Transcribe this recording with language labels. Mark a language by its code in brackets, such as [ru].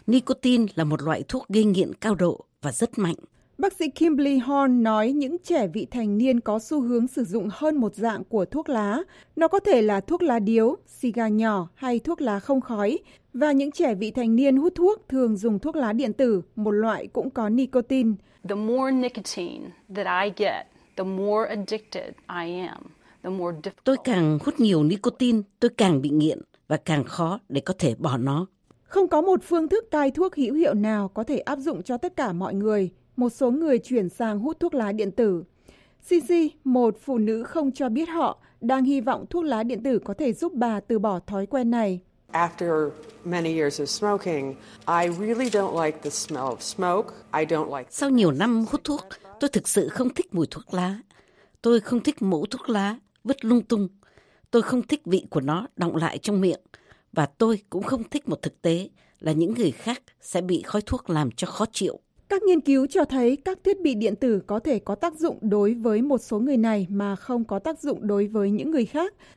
[vi] Nicotine là một loại thuốc gây nghiện cao độ và rất mạnh. Bác sĩ Kimberly Horn nói những trẻ vị thành niên có xu hướng sử dụng hơn một dạng của thuốc lá. Nó có thể là thuốc lá điếu, xì gà nhỏ hay thuốc lá không khói. Và những trẻ vị thành niên hút thuốc thường dùng thuốc lá điện tử, một loại cũng có nicotine. [en] The more nicotine that I get, the more addicted I am, the more difficult. [vi] Tôi càng hút nhiều nicotine, tôi càng bị nghiện và càng khó để có thể bỏ nó. Không có một phương thức cai thuốc hữu hiệu nào có thể áp dụng cho tất cả mọi người. Một số người chuyển sang hút thuốc lá điện tử. Cici, một phụ nữ không cho biết họ, đang hy vọng thuốc lá điện tử có thể giúp bà từ bỏ thói quen này. [en] After many years of smoking, I really don't like the smell of smoke. I don't like. [vi] Sau nhiều năm hút thuốc, tôi thực sự không thích mùi thuốc lá. Tôi không thích mẩu thuốc lá vứt lung tung. Tôi không thích vị của nó đọng lại trong miệng. Và tôi cũng không thích một thực tế là những người khác sẽ bị khói thuốc làm cho khó chịu. Các nghiên cứu cho thấy các thiết bị điện tử có thể có tác dụng đối với một số người này mà không có tác dụng đối với những người khác.